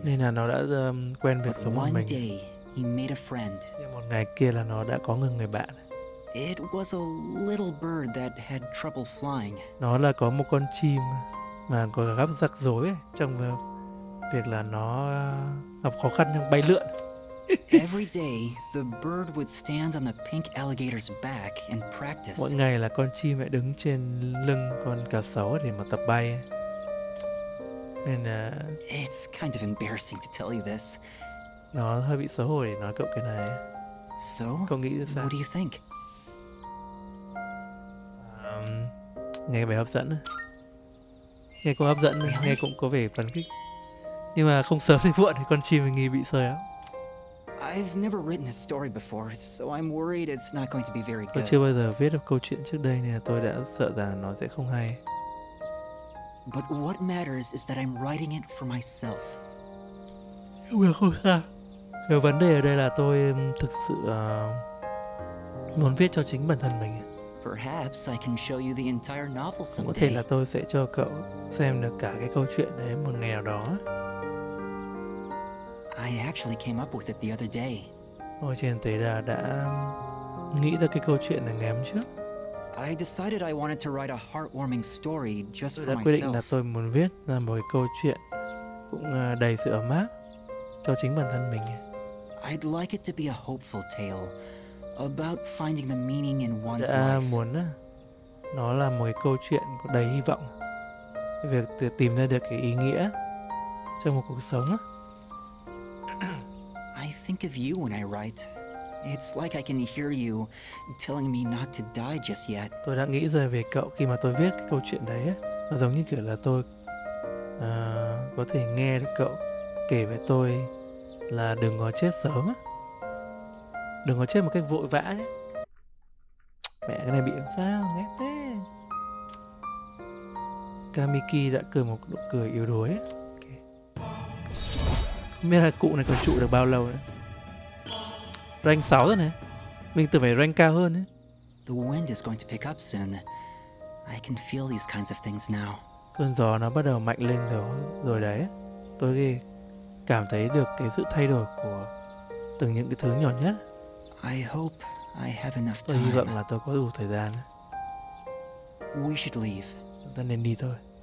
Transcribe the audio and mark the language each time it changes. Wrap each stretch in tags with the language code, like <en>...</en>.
<vi>Nên là nó đã quen việc sống một mình.</vi> <en>Day, he made a friend.</en> <vi>Nhưng một ngày kia là nó đã có người bạn.</vi> <en>It was a little bird that had trouble flying.</en> <vi>Nó là có một con chim mà có gặp rắc rối ấy, trong việc là nó gặp khó khăn trong bay lượn.</vi> <en>Every day the bird would stand on the pink alligator's back and practice.</en> <vi>Mỗi ngày là con chim lại đứng trên lưng con cá sấu để mà tập bay.</vi> <en>It's kind of embarrassing to tell you this.</en> <vi>Nó hơi bị xấu hổ để nói cậu cái này.</vi> <en>So,</en> <vi>cậu nghĩ sao?</vi> <en>What do you think?</en> <vi>Nghe vẻ hấp dẫn. Nghe cũng hấp dẫn,</vi> <en>really?</en> <vi>Nghe cũng có vẻ phấn khích. Nhưng mà không sớm thì muộn thì con chim mình nghi bị sợi á.</vi> <en>I've never written a story before, so I'm worried it's not going to be very good.</en> <vi>Tôi chưa bao giờ viết được câu chuyện trước đây nên tôi đã sợ rằng nó sẽ không hay.</vi> <en>But what matters is that I'm writing it for myself.</en> <vi>Vấn đề ở đây là tôi thực sự muốn viết cho chính bản thân mình.</vi> <en>Perhaps I can show you the entire novel someday.</en> <vi>Có thể là tôi sẽ cho cậu xem được cả cái câu chuyện đấy một ngày nào đó.</vi> <en>I actually came up with it the other day.</en> <vi>Tôi trên thế là đã nghĩ ra cái câu chuyện này ngày hôm trước.</vi> <en>I decided I wanted to write a heartwarming story just for myself.</en> <vi>Tôi đã quyết định là tôi muốn viết ra một cái câu chuyện cũng đầy sự ấm áp cho chính bản thân mình.</vi> <en>I'd like it to be a hopeful tale about finding the meaning in one's life.</en> <vi>Muốn nó là một cái câu chuyện đầy hy vọng, việc tìm ra được cái ý nghĩa trong một cuộc sống.</vi> <en>I think of you when I write. It's like I can hear you telling me not to die just yet.</en> <vi>Tôi đã nghĩ rồi về cậu khi mà tôi viết cái câu chuyện đấy ấy. Nó giống như kiểu là tôi có thể nghe được cậu kể về tôi là đừng có chết sớm á. Đừng có chết một cách vội vã ấy. Mẹ cái này bị làm sao ghét thế. Kamiki đã cười một nụ cười yếu đuối ấy. Okay. Không biết là cụ này còn trụ được bao lâu nữa. Rank 6 rồi này. Mình tưởng phải rank cao hơn ấy.</vi> <en>The wind is going to pick up soon. I can feel these kinds of things now.</en> <vi>Cơn gió nó bắt đầu mạnh lên rồi đấy. Tôi cảm thấy được cái sự thay đổi của từng những cái thứ nhỏ nhất.</vi> <en>I hope I have enough time.</en> <vi>Tôi hy vọng là tôi có đủ thời gian.</vi> <en>We should leave.</en> <vi>Chúng ta nên đi thôi.</vi>